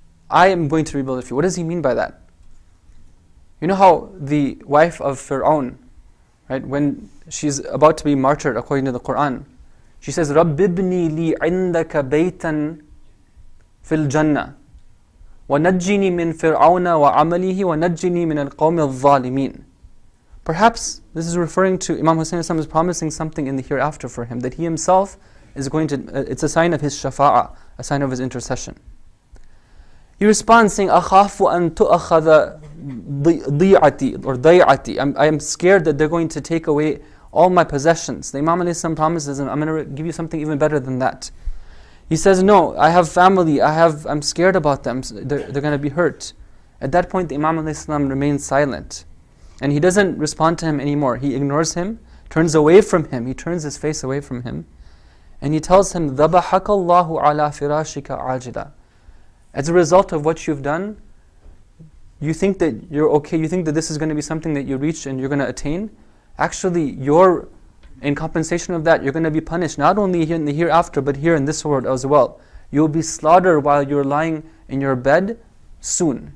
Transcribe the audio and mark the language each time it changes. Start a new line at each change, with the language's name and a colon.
English: I am going to rebuild it for you. What does he mean by that? You know how the wife of Fir'aun, right, when she's about to be martyred according to the Quran, she says,
Arabic: رَبِّبْنِي لِي عِنْدَكَ بَيْتًا فِي الْجَنَّةِ وَنَجِّنِي مِن فِرْعَوْنَ وَعَمَلِهِ وَنَجِّنِي مِنَ الْقَوْمِ الظَّالِمِينَ
English: Perhaps this is referring to Imam Hussain is promising something in the hereafter for him, that he himself is going to, it's a sign of his shafa'ah, a sign of his intercession. He responds saying,
Arabic: أَخَافُ أَن تُؤَخَذَ ضِيْعَتِي
English: or
Arabic: ضَيْعَتِي.
English: I am scared that they're going to take away all my possessions. The Imam ﷺ promises him, I'm going to give you something even better than that. He says, no, I have family, I'm scared about them, they're going to be hurt. At that point, the Imam ﷺ remains silent. And he doesn't respond to him anymore. He ignores him, turns away from him, he turns his face away from him. And he tells him,
Arabic: ذَبَحَكَ اللَّهُ عَلَى فِرَاشِكَ عَاجِلًا.
English: As a result of what you've done, you think that you're okay, you think that this is going to be something that you reach and you're going to attain. Actually, you're in compensation of that, you're going to be punished, not only here in the hereafter, but here in this world as well. You'll be slaughtered while you're lying in your bed soon.